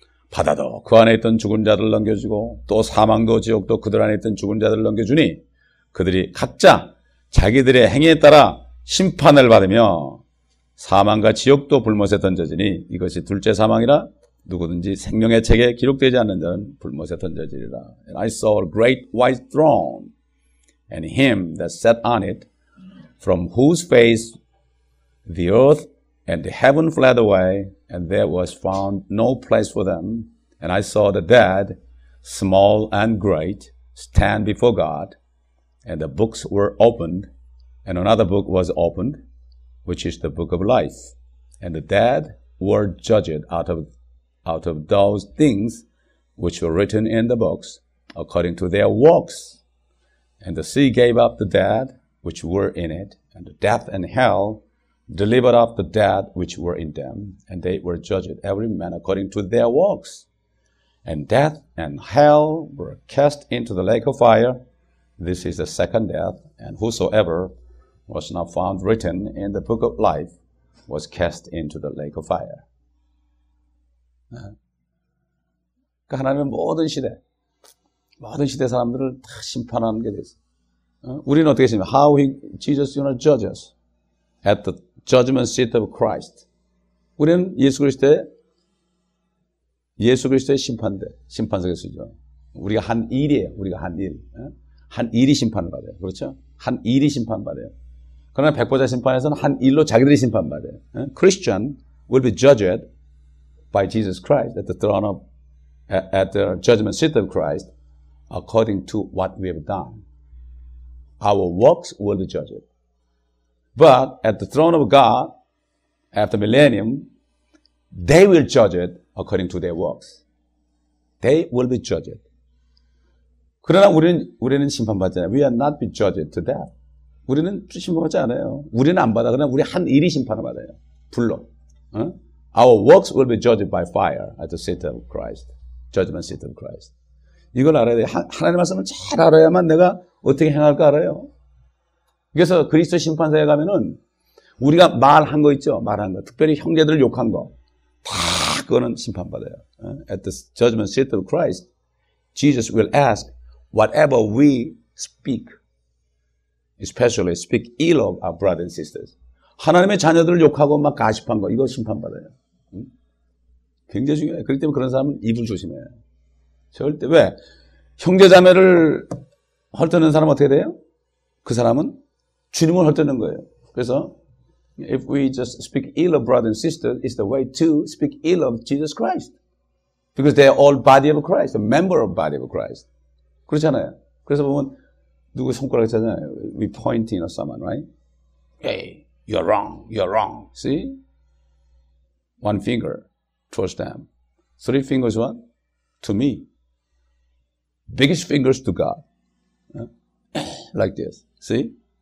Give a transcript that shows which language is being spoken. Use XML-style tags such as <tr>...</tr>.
<ko>바다도 그 안에 있던 죽은 자들을 넘겨주고 또 사망도 지옥도 그들 안에 있던 죽은 자들을 넘겨주니 그들이 각자 자기들의 행위에 따라 심판을 받으며 사망과 지옥도 불못에 던져지니 이것이 둘째 사망이라 누구든지 생명의 책에 기록되지 않는 자는 불못에 던져지리라.</ko> <en>And I saw a great white throne and him that sat on it, from whose face the earth and the heaven fled away, and there was found no place for them. And I saw the dead, small and great, stand before God, and the books were opened, and another book was opened, which is the book of life. And the dead were judged out of those things which were written in the books, according to their works. And the sea gave up the dead which were in it, and death and hell delivered up the dead which were in them, and they were judged, every man according to their works. And death and hell were cast into the lake of fire. This is the second death, and whosoever was not found written in the book of life was cast into the lake of fire.</en> <ko>그러니까 하나님은 모든 시대 사람들을 다 심판하는 게 됐어. 우리는 어떻게 심판?</ko> <en>How he, Jesus is going to judge us at the judgment seat of Christ.</en> <ko>우리는 예수 그리스도의 심판대, 심판석에 서죠. 우리가 한 일이에요. 한 일이 심판을 받아요. 그렇죠? 한 일이 심판받아요. 그러나 백보자 심판에서는 한 일로 자기들이 심판받아요.</ko> <en>Christian will be judged by Jesus Christ at the throne of, at the judgment seat of Christ according to what we have done. Our works will be judged. But at the throne of God, after millennium, they will judge it according to their works. They will be judged.</en> <ko>그러나 우리는 심판받잖아요.</ko> <en>We are not be judged to death.</en> <ko>우리는 심판받지 않아요. 우리는 안 받아. 그러나 우리 한 일이 심판을 받아요. 불로. 응?</ko> <en>Our works will be judged by fire at the seat of Christ. Judgment seat of Christ.</en> <ko>이걸 알아야 돼요. 하나님 말씀을 잘 알아야만 내가 어떻게 행할까 알아요. 그래서 그리스도 심판사에 가면은 우리가 말한 거 있죠. 말한 거. 특별히 형제들을 욕한 거. 다 그거는 심판받아요.</ko> <en>At the judgment seat of Christ, Jesus will ask whatever we speak, especially speak ill of our brothers and sisters.</en> <ko>하나님의 자녀들을 욕하고 막 가십한 거. 이거 심판받아요. 굉장히 중요해요. 그렇기 때문에 그런 사람은 입을 조심해요. 절대 왜? 형제자매를 헐뜯는 사람은 어떻게 돼요? 그 사람은 주님을 헐뜯는 거예요.</ko> <en>그래서 if we just speak ill of brother and sister, it's the way to speak ill of Jesus Christ. Because they are all body of Christ, a member of body of Christ.</en> <ko>그렇잖아요. 그래서 보면 누구 손가락을 차잖아요.</ko> <en>We pointing at someone, right? Hey, you're wrong, you're wrong. See? One finger towards them. Three fingers what? To me. Biggest fingers to God. Like this. See?</en>